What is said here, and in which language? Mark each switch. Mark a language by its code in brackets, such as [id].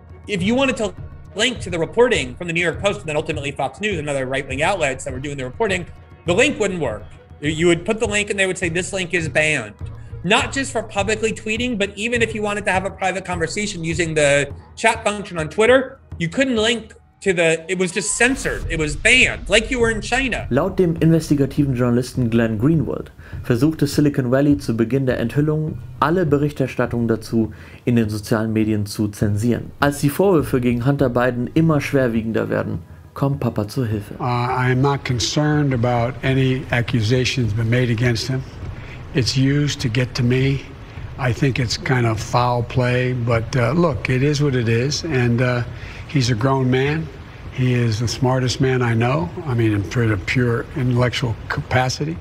[en] If you wanted to link to the reporting from the New York Post and then ultimately Fox News and other right-wing outlets that were doing the reporting, the link wouldn't work. You would put the link and they would say, this link is banned. Not just for publicly tweeting, but even if you wanted to have a private conversation using the chat function on Twitter, you couldn't link to the, it was just censored, it was banned, like you were in China. [de] Laut dem investigativen Journalisten Glenn Greenwald versuchte Silicon Valley zu Beginn der Enthüllung, alle Berichterstattungen dazu in den sozialen Medien zu zensieren. Als die Vorwürfe gegen Hunter Biden immer schwerwiegender werden, kommt Papa zur Hilfe. [en] I'm not concerned about any accusations been made against him. It's used to get to me. I think it's kind of foul play, but look, it is what it is. And he's a grown man. He is the smartest man I know. I mean, in a pure intellectual capacity.